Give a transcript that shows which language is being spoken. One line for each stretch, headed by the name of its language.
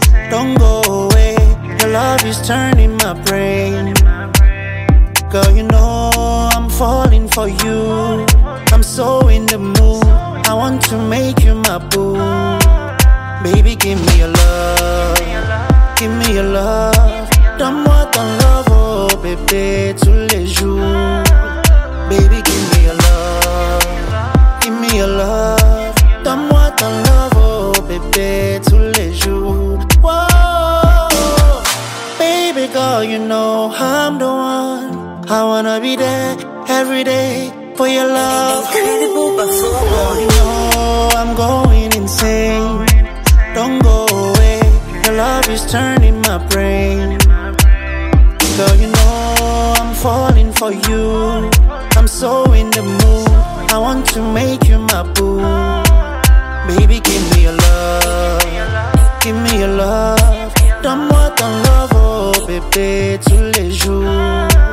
English: Don't go away. Your love is turning my brain. Girl, you know I'm falling for you. I'm so in the mood. I want to make you my boo. Baby, give me your love. Give me your love.
French: Donne-moi ton love, oh bébé, tous les jours.
English: Baby, give me your love. Give me your love.
French: Donne-moi ton love, oh bébé, tous les jours. Whoa.
English: Baby girl, you know I'm the one. I wanna be there every day for your love. Incredible, girl, you know I'm going insane. Don't go away, your love is turning my brain. Girl, you know I'm falling for you. I'm so in the mood, I want to make you my boo. Baby, give me your love, give me your love.
French: Donne-moi ton love, oh bébé, tous les jours.